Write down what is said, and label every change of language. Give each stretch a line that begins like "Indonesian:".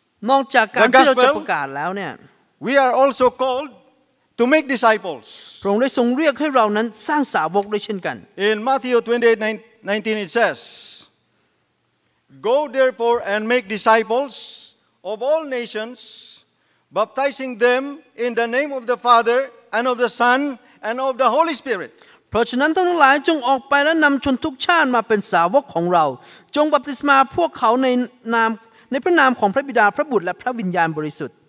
Thai: นอกจากการที่เราจะประกาศแล้วเนี่ย
English: we are also calledTo make disciples.
Thai: พระองค์ได้ทรงเรียกให้เรานั้นสร้างสาวกด้วยเช่นกัน
English: In Matthew 28:19 it says, "Go therefore and make disciples of all nations, baptizing them in the name of the Father and of the Son and of the Holy Spirit."
Thai: เพราะฉะนั้นท่านทั้งหลายจงออกไปและนำชนทุกชาติมาเป็นสาวกของเราจงบัพติศมาพวกเขาในพระนามของพระบิดาพระบุตรและพระวิญญาณบริสุทธิ